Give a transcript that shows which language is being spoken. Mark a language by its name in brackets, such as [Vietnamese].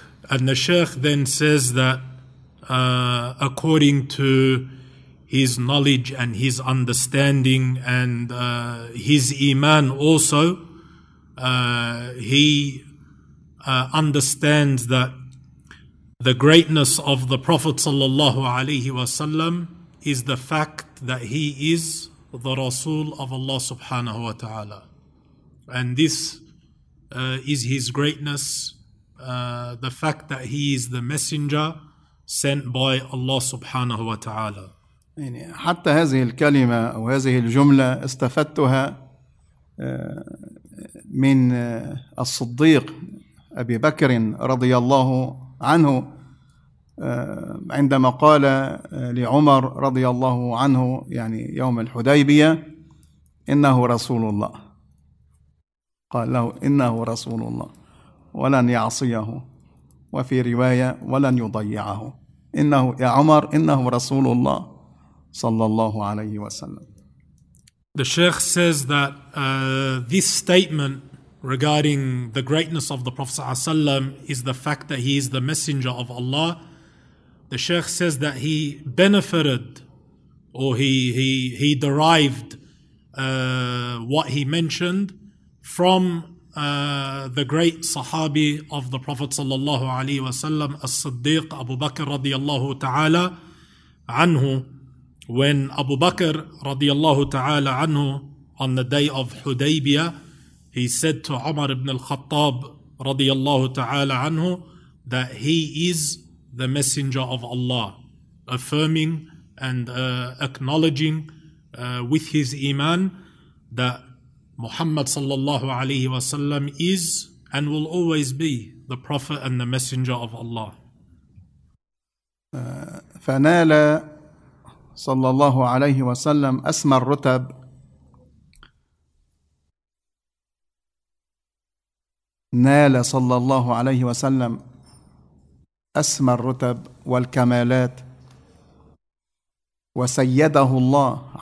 [English] And the Shaykh then says that according to his knowledge and his understanding and his iman also, he understands that the greatness of the Prophet sallallahu alaihi wasallam is the fact that he is the Rasul of Allah subhanahu wa ta'ala. And this is his greatness, the fact that he is the messenger sent by Allah subhanahu wa ta'ala. [Arabic] يعني حتى هذه الكلمة أو هذه الجملة استفدتها من الصديق أبي بكر رضي الله عنه عندما قال لعمر رضي الله عنه يعني يوم الحديبية إنه رسول الله، قال له إنه رسول الله ولن يعصيه، وفي رواية ولن يضيعه، إنه يا عمر إنه رسول الله صلى الله عليه وسلم. [English] The Sheikh says that this statement regarding the greatness of the Prophet sallallahu alaihi wasallam is the fact that he is the messenger of Allah. The Sheikh says that he benefited, or he derived what he mentioned from the great Sahabi of the Prophet sallallahu alaihi wasallam, As-Siddiq Abu Bakr radiyallahu ta'ala anhu. When Abu Bakr radiyallahu ta'ala anhu, on the day of Hudaybiyah, he said to Umar ibn al-Khattab radiyallahu ta'ala anhu that he is the messenger of Allah, affirming and acknowledging with his iman that Muhammad sallallahu alayhi wa sallam is and will always be the prophet and the messenger of Allah. [Arabic] فنالا صلى الله عليه وسلم أسمى الرتب نال صلى الله عليه وسلم أسمى الرتب والكمالات وسيده الله